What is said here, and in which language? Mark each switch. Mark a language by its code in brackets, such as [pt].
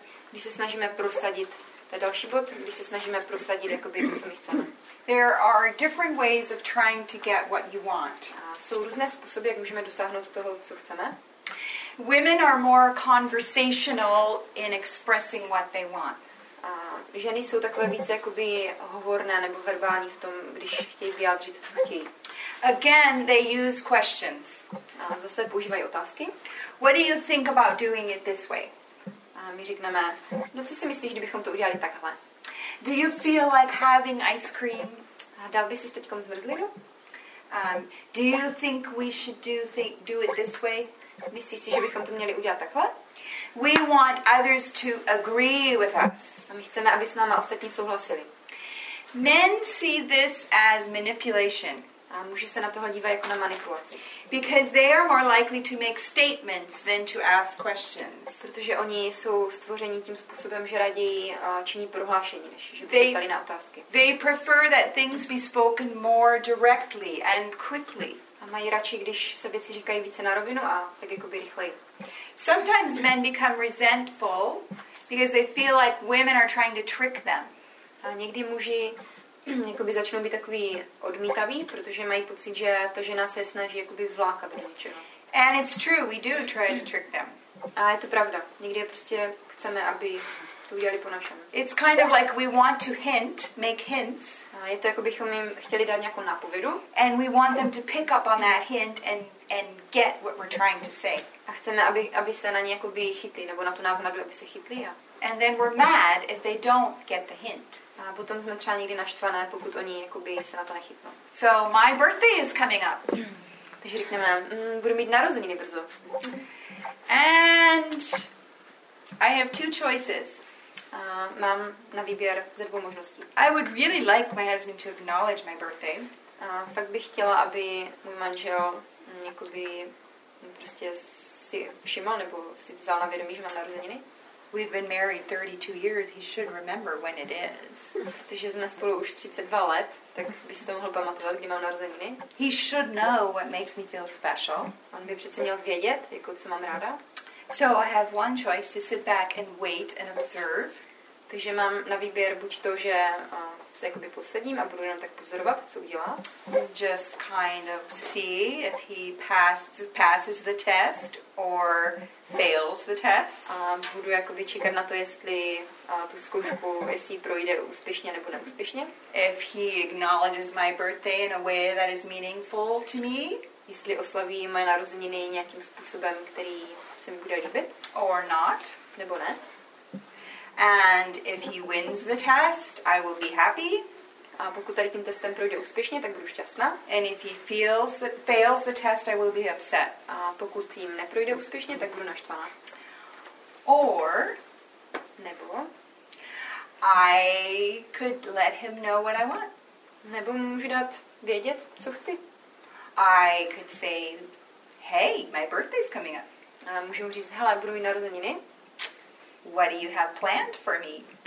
[cs] Když se snažíme prosadit, to je další bod, když se snažíme prosadit, jakoby, to, co my chceme. [en] There are different ways of trying to get what you want. [cs] Jsou různé způsoby, jak můžeme dosáhnout toho, co chceme. [en] Women are more conversational in expressing what they want. [cs] Ženy jsou takové více jakoby hovorné nebo verbální v tom, když chtějí vyjádřit, co chtějí. [en] Again, they use questions. [cs] Zase používají otázky. [en] What do you think about doing it this way? [cs] My řekneme, no co si myslíš, kdybychom to udělali takhle? [en] Do you feel like having ice cream? [cs] Dal by si teďkom zmrzlinu? [en] Do you think we should do it this way? [cs] Myslíš si, že bychom to měli udělat takhle? [en] We want others to agree with us. [cs] A my chceme, aby s námi ostatní souhlasili. [en] Men see this as manipulation. [cs] A muži se na tohle dívají jako na manipulaci. [en] Because they are more likely to make statements than to ask questions. [cs] Protože oni jsou stvoření tím způsobem, že raději činí prohlášení, než že by se ptali na otázky. [en] They prefer that things be spoken more directly and quickly. [cs] A mají radši, když se věci říkají více na rovinu a tak jakoby rychleji. [en] Sometimes men become resentful because they feel like women are trying to trick them. [cs] A někdy muži jakoby začnou být takový odmítaví, protože mají pocit, že ta žena se snaží jakoby vlákat do něčeho. [en] And it's true, we do try to trick them. [cs] A je to pravda. Někdy prostě chceme, aby to udělali po našem. [en] It's kind of like we want to hint, make hints. [cs] A je to, jako bychom jim chtěli dát nějakou nápovědu. [en] And we want them to pick up on that hint and get what we're trying to say. [cs] A chceme, aby se na ně jakoby chytli, nebo na tu náhodu, aby se chytli. A... [en] And then we're mad if they don't get the hint. [cs] A potom jsme třeba někdy naštvané, pokud oni jakoby se na to nechytnou. [en] So my birthday is coming up. [cs] Takže řekneme, budu mít narozeniny brzo. [en] And I have two choices. [cs] Mám na výběr ze dvou možností. [en] I would really like my husband to acknowledge my birthday. [cs] Fakt bych chtěla, aby můj manžel jakoby prostě si všiml nebo si vzal na vědomí, že mám narozeniny. [en] we've been married 32 years, he should remember when it is. [cs] Takže jsme spolu už 32 let, tak byste mohl pamatovat, kdy mám narozeniny. [en] He should know what makes me feel special. [cs] On by přece měl vědět, jako co mám ráda. [en] So I have one choice, to sit back and wait and observe. [cs] Takže mám na výběr buď to, že se jakoby posedím a budu jenom tak pozorovat, co udělá. [en] Just kind of see if he passes the test or fails the test. [cs] A budu jakoby čekat na to, jestli tu zkoušku, jestli projde úspěšně nebo neúspěšně. [en] If he acknowledges my birthday in a way that is meaningful to me. [cs] Jestli oslaví moje narozeniny nějakým způsobem, který se mi bude líbit. [en] Or not. [cs] Nebo ne. [en] And if he wins the test, I will be happy. [cs] A pokud tady tím testem projde úspěšně, tak budu šťastná. [en] And if he fails the test, I will be upset. [cs] A pokud tím neprojde úspěšně, tak budu naštvaná. [en] Or, [cs] nebo, [en] I could let him know what I want. [cs] Nebo můžu dát vědět, co chci. [en] I could say, hey, my birthday's coming up. [cs] A můžu mu říct, hele, budu mít narozeniny. [en] What do you have planned for me?